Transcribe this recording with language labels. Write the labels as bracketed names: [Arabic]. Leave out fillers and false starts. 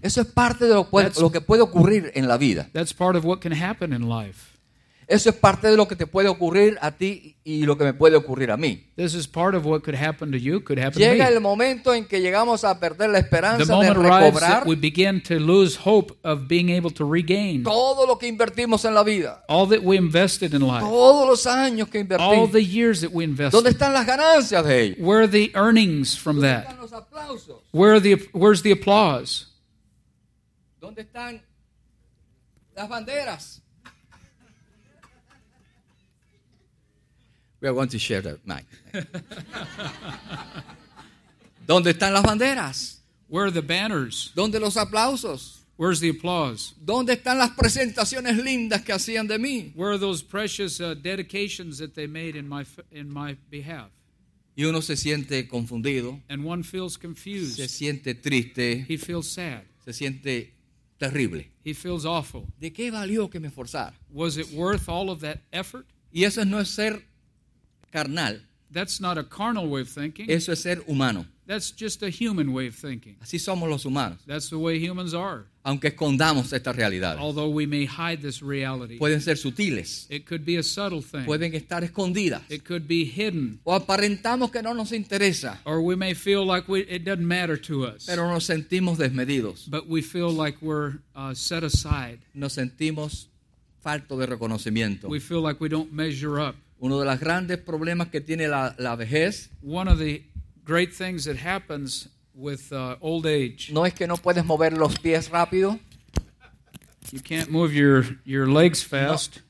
[Spanish] Eso es parte de lo que puede ocurrir en la vida. [English] That's part of what can happen in life. [Spanish] Eso es parte de lo que te puede ocurrir a ti y lo que me puede ocurrir a mí. [English] This is part of what could happen to you, could happen [Spanish] llega [English] to me. [Spanish] El momento en que llegamos a perder la esperanza [English] the moment [Spanish] de recobrar [English] we begin to lose hope of being able to regain [Spanish] todo lo que invertimos en la vida. [English] All that we invested in life. [Spanish] Todos los años que invertimos. [English] All the years that we invested. [Spanish] ¿Dónde están las ganancias de ello? [English] Where are the earnings from that? [Spanish] ¿Dónde están los aplausos? [English] Where's the applause? [Spanish] ¿Dónde están las banderas? [English] We are going to share the mic. [Spanish] ¿Dónde están las banderas? [English] Where are the banners? [Spanish] ¿Dónde los aplausos? [English] Where's the applause? [Spanish] ¿Dónde están las presentaciones lindas que hacían de mí? [English] Where are those precious dedications that they made in my behalf? [Spanish] Y uno se siente confundido. [English] And one feels confused. [Spanish] Se siente triste. [English] He feels sad. [Spanish] Se siente terrible. [English] He feels awful. [Spanish] ¿De qué valió que me forzara? [English] Was it worth all of that effort? [Spanish] Y eso no es ser carnal. [English] That's not a carnal way of thinking. [Spanish] Eso es ser humano. [English] That's just a human way of thinking. [Spanish] Así somos los humanos. [English] That's the way humans are. [Spanish] Aunque escondamos estas realidades. [English] Although we may hide this reality. [Spanish] Pueden ser sutiles. [English] It could be a subtle thing. [Spanish] Pueden estar escondidas. [English] It could be hidden. [Spanish] O aparentamos que no nos interesa. [English] Or we may feel like it doesn't matter to us. [Spanish] Pero nos sentimos desmedidos. [English] But we feel like we're set aside. [Spanish] Nos sentimos falto de reconocimiento. [English] We feel like we don't measure up. [Spanish] Uno de los grandes problemas que tiene la vejez. [English] One of the great things that happens with old age. [Spanish] No es que no puedes mover los pies rápido. [English] You can't move your legs fast.